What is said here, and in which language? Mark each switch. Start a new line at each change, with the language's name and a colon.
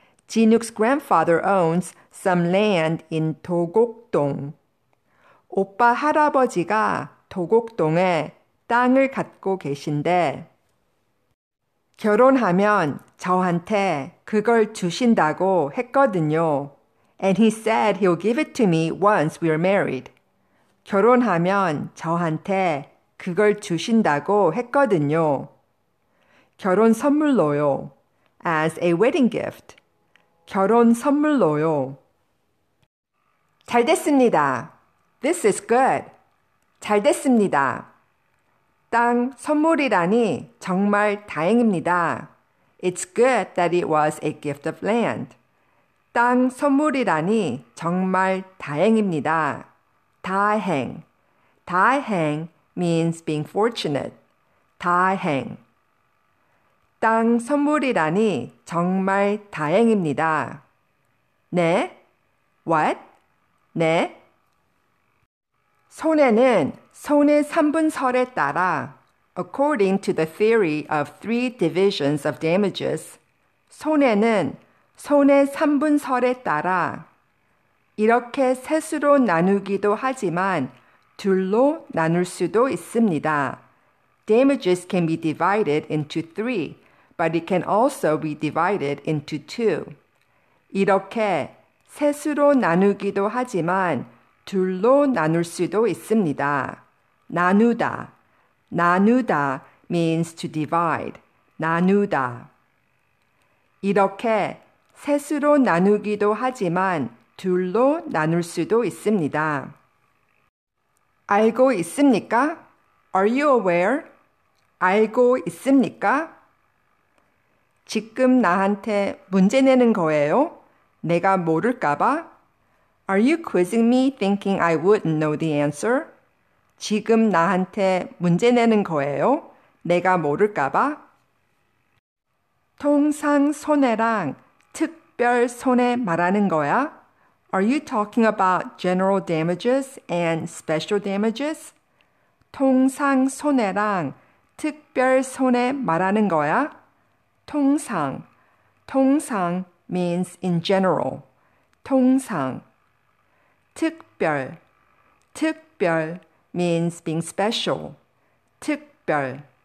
English: Jinuk's grandfather owns some land in Dogokdong.
Korean: 오빠 할아버지가 도곡동에 땅을 갖고 계신데 결혼하면 저한테 그걸 주신다고 했거든요.
English: And he said he'll give it to me once we're married.
Korean: 결혼하면 저한테 그걸 주신다고 했거든요. 결혼 선물로요.
English: As a wedding gift.
Korean: 결혼 선물로요. 잘 됐습니다.
English: This is good.
Korean: 잘 됐습니다. 땅 선물이라니 정말 다행입니다.
English: It's good that it was a gift of land.
Korean: 땅 선물이라니 정말 다행입니다.
English: 다행. 다행 means being fortunate. 다행.
Korean: 땅 선물이라니 정말 다행입니다. 네?
English: What?
Korean: 네? 손에는 손의 3분설에 따라
English: According to the theory of three divisions of damages,
Korean: 손해는 손해 3분설에 따라 이렇게 셋으로 나누기도 하지만 둘로 나눌 수도 있습니다.
English: Damages can be divided into three, but it can also be divided into two.
Korean: 이렇게 셋으로 나누기도 하지만 둘로 나눌 수도 있습니다.
English: 나누다. 나누다 means to divide. 나누다.
Korean: 이렇게 셋으로 나누기도 하지만 둘로 나눌 수도 있습니다. 알고 있습니까?
English: Are you aware?
Korean: 알고 있습니까? 지금 나한테 문제 내는 거예요? 내가 모를까봐?
English: Are you quizzing me thinking I wouldn't know the answer?
Korean: 지금 나한테 문제 내는 거예요? 내가 모를까봐? 통상 손해랑 특별 손해 말하는 거야?
English: Are you talking about general damages and special damages?
Korean: 통상 손해랑 특별 손해 말하는 거야? 통상. 통상
English: means in general.
Korean: 통상. 특별. 특별.
English: means being special, 특별.